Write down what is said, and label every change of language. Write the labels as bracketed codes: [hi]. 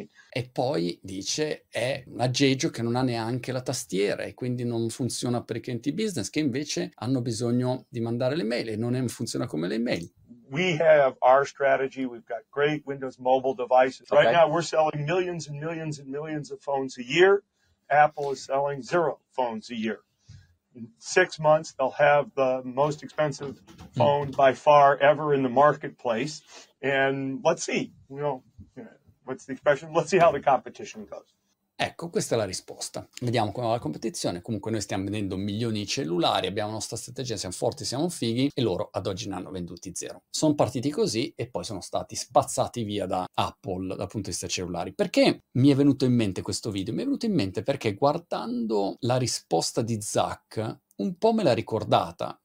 [it] E poi dice è un aggeggio che non ha neanche la tastiera e quindi non funziona per i clienti business che invece hanno bisogno di mandare le mail e non funziona come le mail. [en] We have our strategy. We've got great Windows mobile devices. Okay. Right now we're selling millions and millions and millions of phones a year. Apple is selling zero phones a year. In 6 months, they'll have the most expensive phone by far ever in the marketplace. And let's see, you know, what's the expression? Let's see how the competition goes. [it] Ecco, questa è la risposta. Vediamo come va la competizione. Comunque noi stiamo vendendo milioni di cellulari, abbiamo la nostra strategia, siamo forti, siamo fighi, e loro ad oggi ne hanno venduti zero. Sono partiti così e poi sono stati spazzati via da Apple dal punto di vista cellulari. Perché mi è venuto in mente questo video? Mi è venuto in mente perché guardando la risposta di Zach, un po' me l'ha ricordata.